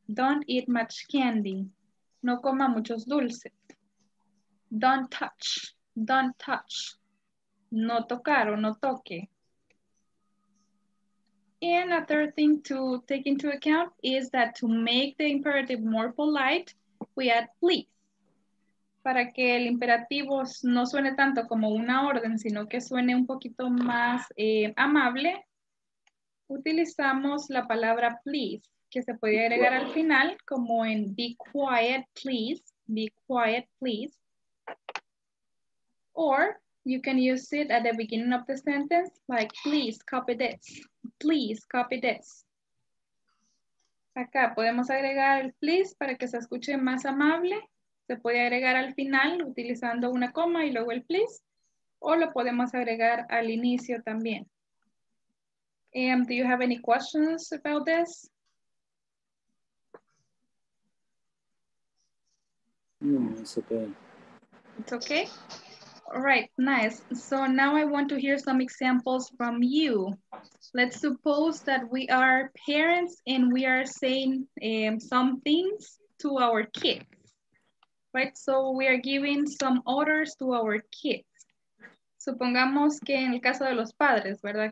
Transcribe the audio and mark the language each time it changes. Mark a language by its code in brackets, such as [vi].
[en] Don't eat much candy. [es] No coma muchos dulces. [en] Don't touch. Don't touch. [es] No tocar o no toque. [en] And a third thing to take into account is that to make the imperative more polite, we add please. [es] Para que el imperativo no suene tanto como una orden, sino que suene un poquito más amable, utilizamos la palabra please, que se puede agregar al final, como en [en] be quiet, please, be quiet, please. Or you can use it at the beginning of the sentence, like please copy this. please, copy this. [es] Acá podemos agregar el please para que se escuche más amable. Se puede agregar al final utilizando una coma y luego el please. O lo podemos agregar al inicio también. [en] Do you have any questions about this? No, it's okay. It's okay? All right, nice. So now I want to hear some examples from you. Let's suppose that we are parents and we are saying some things to our kids, right? So we are giving some orders to our kids. [es] Supongamos que en el caso de los padres, ¿verdad?